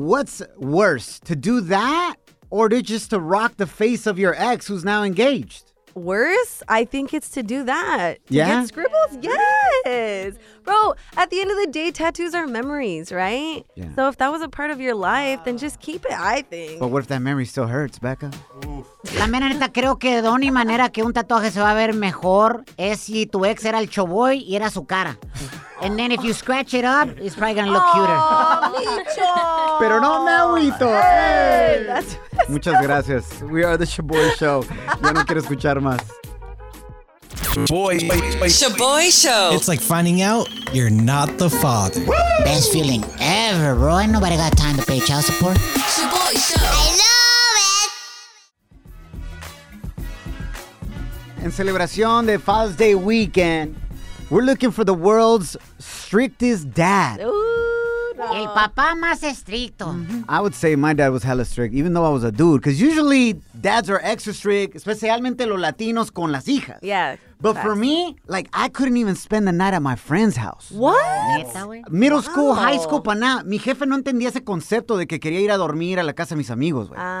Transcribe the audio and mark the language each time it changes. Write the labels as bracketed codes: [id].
[en] What's worse, to do that or to just to rock the face of your ex who's now engaged? Worse, I think it's to do that. Yeah. Get scribbles? Yes. Bro, at the end of the day, tattoos are memories, right? Yeah. So if that was a part of your life, then just keep it, I think. But what if that memory still hurts, Becca? [es] La neta, creo que la única manera que un tatuaje se va a ver mejor es si tu ex era el Choboy y era su cara. [en] And then if you scratch it up, it's probably going to look cuter. Micho. [es] Pero no me agüito. Hey, muchas gracias. [en] We are the Shaboy Show. [es] Ya no quiero escuchar más. [en] Shaboy Show. It's like finding out you're not the father. Woo! Best feeling ever, bro. Ain't nobody got time to pay child support. Shaboy Show. I love it. [es] En celebración de [en] Father's Day weekend, we're looking for the world's strictest dad. Ooh, [es] no. El papá más estricto. [en] Mm-hmm. I would say my dad was hella strict, even though I was a dude. Because usually dads are extra strict, [es] especialmente los latinos con las hijas. [en] Yeah. But for me, like, I couldn't even spend the night at my friend's house. What? Middle school, high school, [es] pa' nada. Mi jefe no entendía ese concepto de que quería ir a dormir a la casa de mis amigos, güey.